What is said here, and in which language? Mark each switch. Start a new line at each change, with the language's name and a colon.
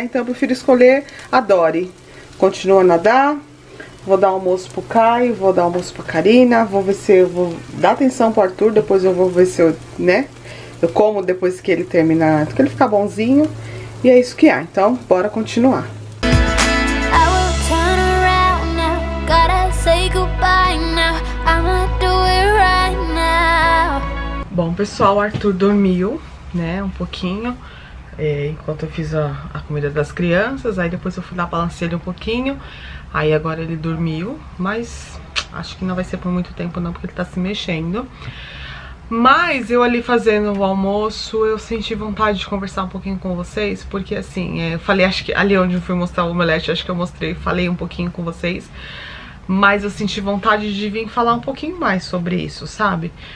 Portuguese: Então, eu prefiro escolher a Dori. Continuo a nadar. Vou dar almoço pro Caio, vou dar almoço pra Karina, vou ver se eu vou dar atenção pro Arthur, depois eu vou ver se eu, né, eu como depois que ele terminar, porque ele fica bonzinho, e é isso que é, então bora continuar.
English: I will turn around now, gotta say goodbye now, I'ma do it right now.
Portuguese: Bom, pessoal, o Arthur dormiu, né, um pouquinho, enquanto eu fiz a comida das crianças, aí depois eu fui dar balancei ele um pouquinho. Aí agora ele dormiu, mas acho que não vai ser por muito tempo não, porque ele tá se mexendo. Mas eu ali fazendo o almoço, eu senti vontade de conversar um pouquinho com vocês, porque assim, eu falei, acho que ali onde eu fui mostrar o omelete, acho que eu mostrei, falei um pouquinho com vocês, mas eu senti vontade de vir falar um pouquinho mais sobre isso, sabe?